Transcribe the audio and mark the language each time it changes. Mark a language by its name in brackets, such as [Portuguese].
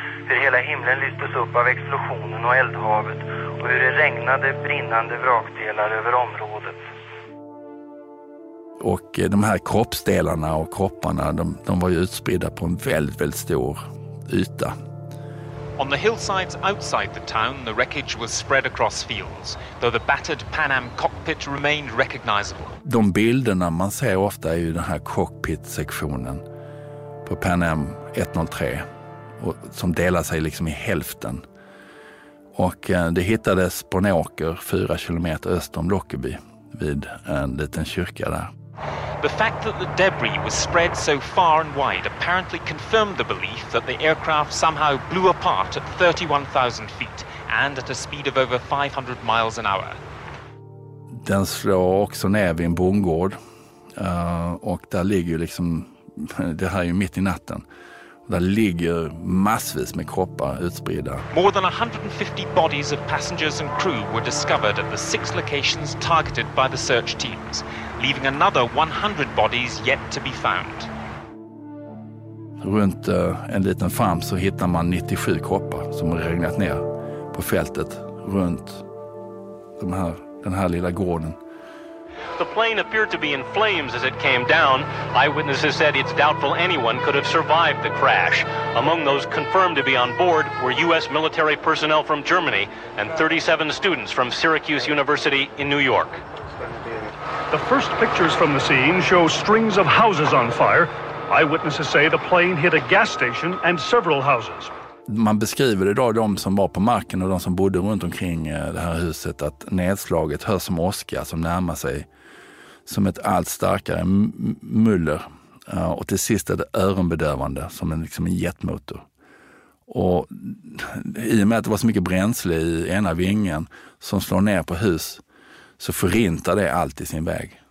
[Swedish] Hur hela himlen lystes upp av explosionen och eldhavet. Och hur det regnade brinnande vrakdelar över området. Och de här kroppsdelarna och kropparna, de var ju utspridda på en väldigt, väldigt stor yta. [English] On the hillsides outside the town, the wreckage was spread across fields, though the battered Pan Am cockpit remained recognizable. [Swedish] De bilderna man ser ofta är ju den här cockpit-sektionen på Pan Am 103, och som delar sig liksom i hälften. Och det hittades på en åker 4 kilometer öster om Lockerbie vid en liten kyrka där. [English] The fact that the debris was spread so far and wide apparently confirmed the belief that the aircraft somehow blew apart at 31,000 feet and at a speed of over 500 miles an hour. [Swedish] Den slår också ner vid en bondgård, och där ligger ju liksom, det här är ju mitt i natten, där ligger massvis med kroppar utspridda. [English] More than 150 bodies of passengers and crew were discovered at the 6 locations targeted by the search teams, leaving another 100 bodies yet to be found. [Swedish] Runt en liten farm så hittar man 97 kroppar som har regnat ner på fältet runt den här lilla gården. [English] The plane appeared to be in flames as it came down. Eyewitnesses said it's doubtful anyone could have survived the crash. Among those confirmed to be on board were U.S. military personnel from Germany and 37 students from Syracuse University in New York. The first pictures from the scene show strings of houses on fire. Eyewitnesses say the plane hit a gas station and several houses. [Swedish] Man beskriver idag de som var på marken och de som bodde runt omkring det här huset att nedslaget hörs som åska som närmar sig som ett allt starkare muller. Och till sist är det öronbedövande som en jetmotor. Och i och med att det var så mycket bränsle i ena vingen som slår ner på hus så förintar det allt i sin väg.